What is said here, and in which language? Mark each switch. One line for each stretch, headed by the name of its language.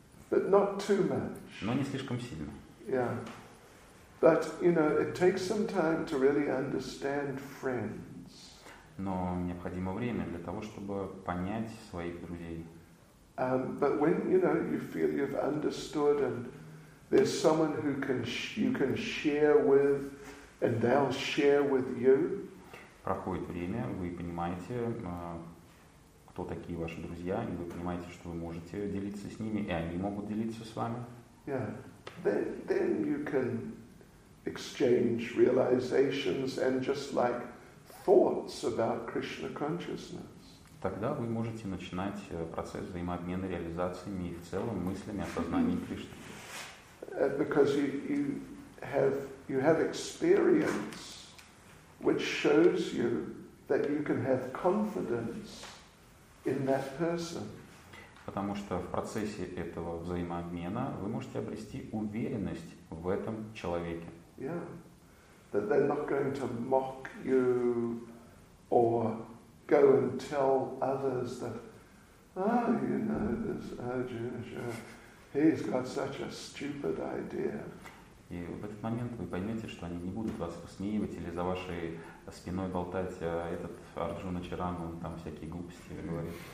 English: But not too much.
Russian: Но не слишком сильно.
English: Yeah. But it takes some time to really understand friends.
Russian: Но необходимо время для того, чтобы понять своих друзей.
English: But when you feel you've understood and there's someone who you can share with and they'll share with you.
Russian: Проходит время, вы понимаете, кто такие ваши друзья, и вы понимаете, что вы можете делиться с ними, и они могут делиться с вами.
English: Yeah. Then you can exchange realizations and just like thoughts about Krishna consciousness.
Russian: Тогда вы можете начинать процесс взаимообмена реализациями и в целом мыслями о сознании Кришны.
English: Because you have experience which shows you that you can have confidence in that person.
Russian: Потому что в процессе этого взаимообмена вы можете обрести уверенность в этом человеке.
English: Yeah. That they're not going to mock you or go and tell others that, this Arjuna, he's got such a stupid idea.
Russian: И в этот момент вы поймете, что они не будут вас высмеивать или за вашей спиной болтать, а этот Арджуна Чаран, он там всякие глупости говорит.